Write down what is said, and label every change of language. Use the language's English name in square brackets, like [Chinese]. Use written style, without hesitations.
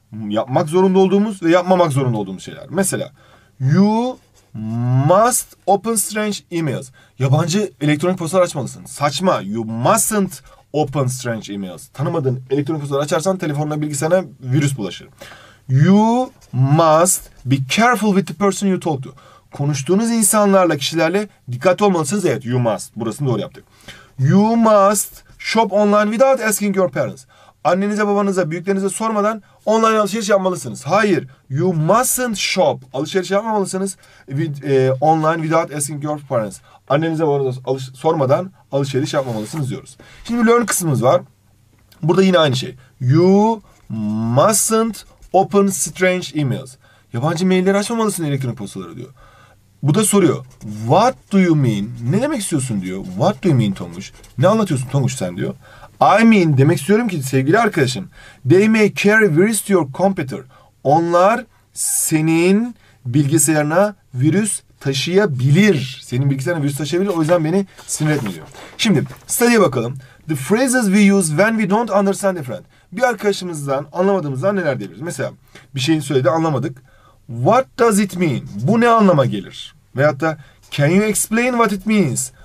[Turkish] Yapmak zorunda olduğumuz ve yapmamak zorunda olduğumuz şeyler. [English] Mesela, you must open strange emails. [Turkish] Yabancı elektronik postalar açmalısın. Saçma. [English] You mustn't open strange emails. [Turkish] Tanımadığın elektronik postalar açarsan telefonuna, bilgisayarına virüs bulaşır. [English] You must be careful with the person you talk to. [Turkish] Konuştuğunuz insanlarla, kişilerle dikkatli olmalısınız. Evet, [English] you must. [Turkish] Burasını doğru yaptık. [English] You must shop online without asking your parents. [Turkish] Annenize, babanıza, büyüklerinize sormadan online alışveriş yapmalısınız. Hayır, [English] you mustn't shop. [Turkish] Alışveriş yapmamalısınız [English] online without asking your parents. [Turkish] Annenize, babanıza sormadan alışveriş yapmamalısınız diyoruz. Şimdi learn kısmımız var. Burada yine aynı şey. [English] You mustn't open strange emails. [Turkish] Yabancı mailleri açmamalısın elektronik postaları diyor. Bu da soruyor. [English] What do you mean? [Turkish] Ne demek istiyorsun diyor. [English] What do you mean Tonguç? [Turkish] Ne anlatıyorsun Tonguç sen diyor. [English] I mean [Turkish] demek istiyorum ki sevgili arkadaşım. [English] They may carry virus to your computer. [Turkish] Onlar senin bilgisayarına virüs taşıyabilir. Senin bilgisayarına virüs taşıyabilir. O yüzden beni sinir etmiyor. Şimdi study'ye bakalım. [English] The phrases we use when we don't understand a friend. [Turkish] Bir arkadaşımızdan anlamadığımızdan neler diyebiliriz? Mesela bir şeyin söyledi anlamadık. [English] What does it mean? [Turkish] Bu ne anlama gelir? Veyahut da [English] can you explain what it means?